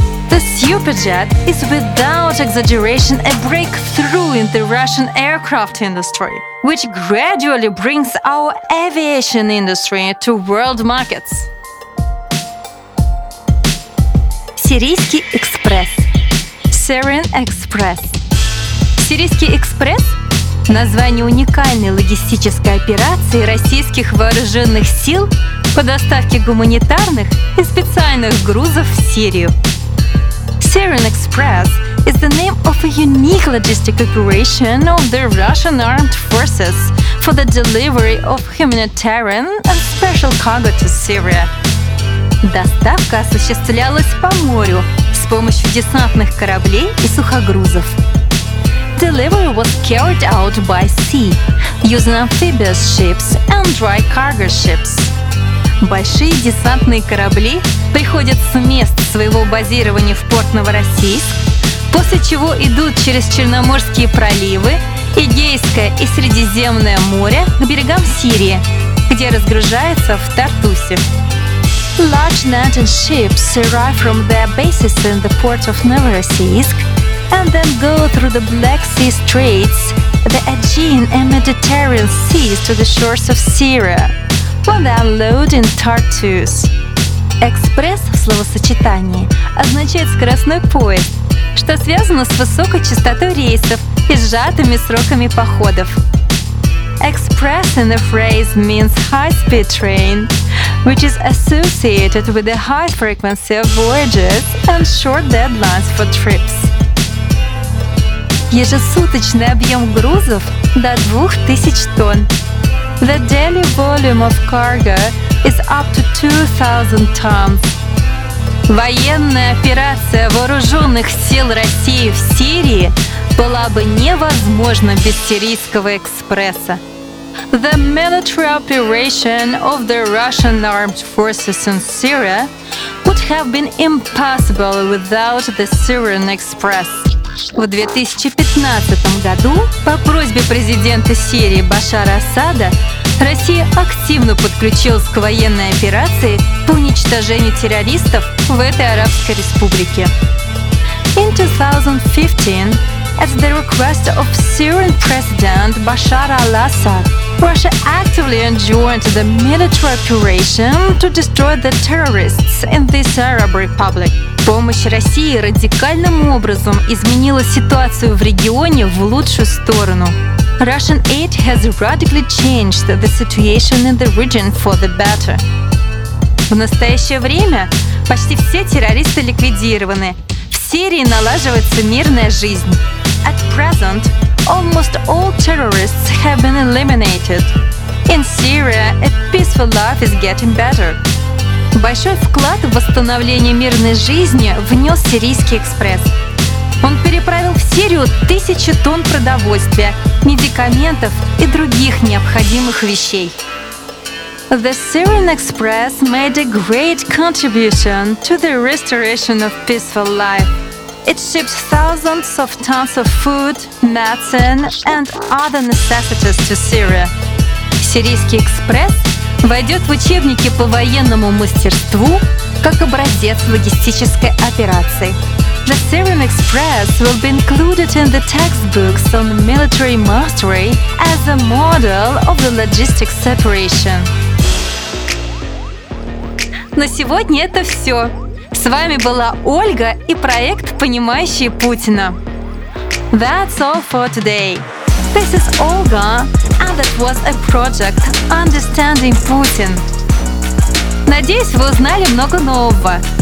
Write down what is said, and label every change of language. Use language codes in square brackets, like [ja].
[en] The Superjet is without exaggeration a breakthrough in the Russian aircraft industry, which gradually brings our aviation industry to world markets. [ru] Сирийский экспресс. [en] Syrian Express. [ru] Сирийский экспресс – название уникальной логистической операции российских вооруженных сил по доставке гуманитарных и специальных грузов в Сирию. [en] Syrian Express is the name of a unique logistic operation of the Russian armed forces for the delivery of humanitarian and special cargo to Syria. [ru] Доставка осуществлялась по морю с помощью десантных кораблей и сухогрузов. [en] delivery was carried out by sea, using amphibious ships and dry cargo ships. [ru] Большие десантные корабли приходят с мест своего базирования в порт Новороссийск, после чего идут через Черноморские проливы, Эгейское и Средиземное море к берегам Сирии, где разгружаются в Тартусе. [en] Large Norwegian ships arrive from their bases in the port of Novorossiysk and then go through the Black Sea Straits, the Aegean and Mediterranean seas to the shores of Syria, when they unload in Tartus. [ru] Экспресс в словосочетании означает скоростной поезд, что связано с высокой частотой рейсов и сжатыми сроками походов. [en] Express in the phrase means high-speed train, which is associated with the high frequency of voyages and short deadlines for trips. [ru] Ежесуточный объем грузов до 2000 тонн. [en] The daily volume of cargo is up to 2000 tons. [ru] Военная операция вооруженных сил России в Сирии была бы невозможна без сирийского экспресса. [en] The military operation of the Russian armed forces in Syria would have been impossible without the Syrian Express. [ru] В 2015 году по просьбе президента Сирии Башара Асада Россия активно подключилась к военной операции по уничтожению террористов в этой арабской республике. [en] In 2015, at the request of Syrian President Bashar al-Assad, Russia actively enjoined the military operation to destroy the terrorists in this Arab Republic. [ru] Помощь России радикальным образом изменила ситуацию в регионе в лучшую сторону. [en] Russian aid has radically changed the situation in the region for the better. [ru] В настоящее время почти все террористы ликвидированы. В Сирии налаживается мирная жизнь. [en] At present, almost all terrorists have been eliminated. In Syria, a peaceful life is getting better. [ru] Большой вклад в восстановление мирной жизни внес Сирийский экспресс. Он переправил в Сирию тысячи тонн продовольствия, медикаментов и других необходимых вещей. [en] The Syrian Express made a great contribution to the restoration of peaceful life. It shipped thousands of tons of food, medicine and other necessities to Syria. [ru] Сирийский экспресс войдет в учебники по военному мастерству как образец логистической операции. [en] The Syrian Express will be included in the textbooks on military mastery as a model of the logistics operation. [ru] На сегодня это все. С вами была Ольга и проект «Понимающие Путина». [en] That's all for today. This is Olga, and it was a project «Understanding Putin». [ru] Надеюсь, вы узнали много нового.